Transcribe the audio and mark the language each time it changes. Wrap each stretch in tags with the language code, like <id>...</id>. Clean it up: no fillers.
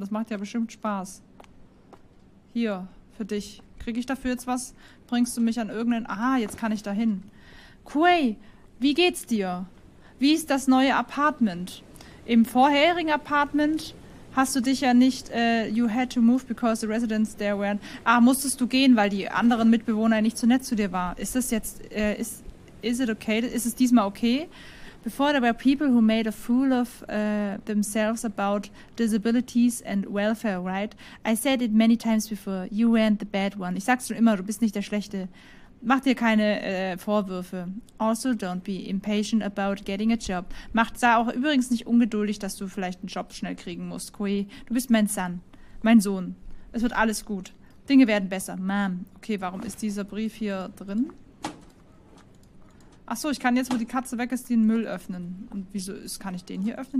<de>Das macht ja bestimmt Spaß. Hier, für dich. Kriege ich dafür jetzt was? Bringst du mich an irgendeinen... Ah, jetzt kann ich da hin. Quay, wie geht's dir? Wie ist das neue Apartment? Im vorherigen Apartment hast du dich ja nicht...</de> <en>you had to move because the residents there weren't...</en> <de>Ah, musstest du gehen, weil die anderen Mitbewohner nicht so nett zu dir waren. Ist das jetzt...</de> <en>is it okay?</en> <de>Ist es diesmal okay?</de> <en>Before there were people who made a fool of themselves about disabilities and welfare, right? I said it many times before. You weren't the bad one.</en> <de>Ich sag's schon immer, du bist nicht der Schlechte. Mach dir keine Vorwürfe.</de> <en>Also don't be impatient about getting a job.</en> <de>Mach da auch übrigens nicht ungeduldig, dass du vielleicht einen Job schnell kriegen musst. Koi, du bist mein Son. Mein Sohn. Es wird alles gut. Dinge werden besser. Mom. Okay, warum ist dieser Brief hier drin? Ach so, ich kann jetzt, wo die Katze weg ist, den Müll öffnen. Und wieso ist, kann ich den hier öffnen?</de>